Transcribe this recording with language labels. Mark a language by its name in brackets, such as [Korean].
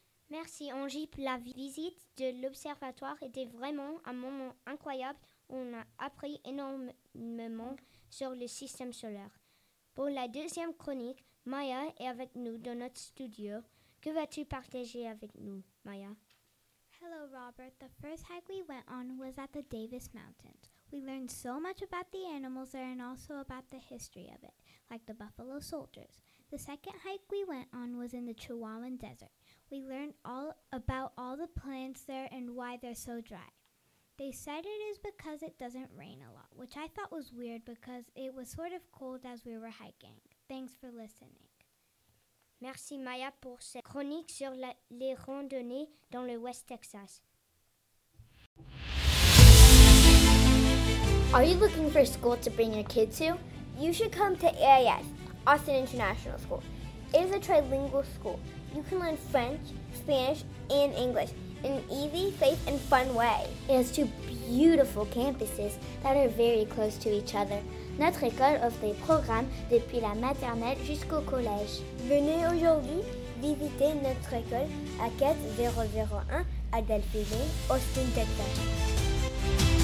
[French] Merci Angie pour la visite de l'observatoire. C'était vraiment un moment incroyable. On a appris énormément sur le système solaire. Pour la deuxième chronique, Maya est avec nous dans notre studio. Que vas-tu partager avec nous, Maya? [English] Hello Robert, the first hike we went on was at the Davis Mountains. We learned so much about the animals there and also about the history of it, like the Buffalo Soldiers. The second hike we went on was in the Chihuahuan Desert. We learned all about all the plants there and why they're so dry. They said it is because it doesn't rain a lot, which I thought was weird because it was sort of cold as we were hiking. Thanks for listening. [French] Merci Maya pour cette chronique sur les randonnées dans le West Texas. [English] Are you looking for a school to bring your kid to? You should come to AIS, Austin International School. It is a trilingual school. You can learn French, Spanish, and English in an easy, safe, and fun way. It has two beautiful campuses that are very close to each other. [French] Notre école offre des programmes depuis la maternelle jusqu'au collège. Venez aujourd'hui visiter notre école à 4001 Adelphi Lane, Austin, Texas.